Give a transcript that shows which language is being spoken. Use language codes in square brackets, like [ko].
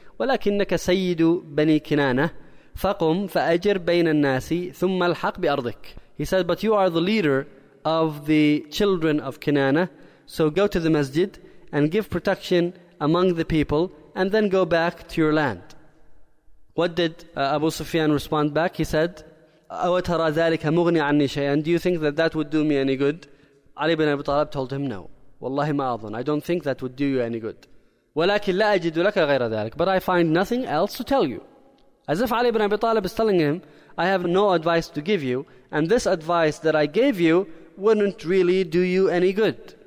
[ar] وَلَكِنَّكَ سَيِّدُ بَنِي كِنَانَةٍ فَقُمْ فَأَجِرْ بَيْنَ النَّاسِ ثُمَّ الْحَقْ بِأَرْضِكَ. [en] He said, but you are the leader of the children of Kinana, so go to the masjid and give protection among the people, and then go back to your land. What did Abu Sufyan respond back? He said, [ar] أَوَتَرَى ذَلِكَ مُغْنِ عَنِّي شَيْئًا. [en] Do you think that that would do me any good? Ali ibn Abi Talib told him, no. [ar] وَاللَّهِ مَا أَظُنْ. [en] I don't think that would do you any good. [ar] وَلَكِنْ لَا أَجِدُ لَكَ غَيْرَ ذَلِكَ. [en] But I find nothing else to tell you. As if Ali ibn Abi Talib is telling him, I have no advice to give you, and this advice that I gave you wouldn't really do you any good.